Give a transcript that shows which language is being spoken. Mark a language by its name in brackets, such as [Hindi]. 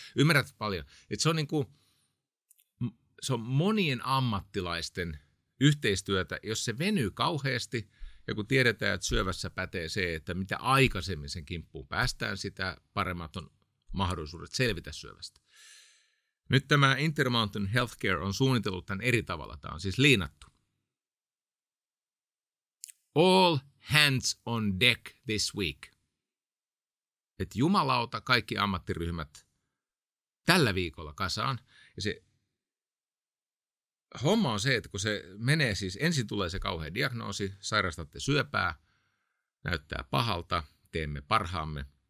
[Finnish] Ymmärrät paljon, että se on monien ammattilaisten yhteistyötä, jos se venyy kauheasti ja kun tiedetään, että syövässä pätee se, että mitä aikaisemmin sen kimppuun päästään, sitä paremmat on mahdollisuudet selvitä syövästä. Nyt tämä Intermountain Healthcare on suunnitellut tämän eri tavalla. Tämä on siis liinattu. [English] All hands on deck this week. [Finnish] Et jumalauta kaikki ammattiryhmät tällä viikolla kasaan. Ja se homma on se, että kun se menee, siis ensin tulee se kauhea diagnoosi, sairastatte syöpää, näyttää pahalta, teemme parhaamme.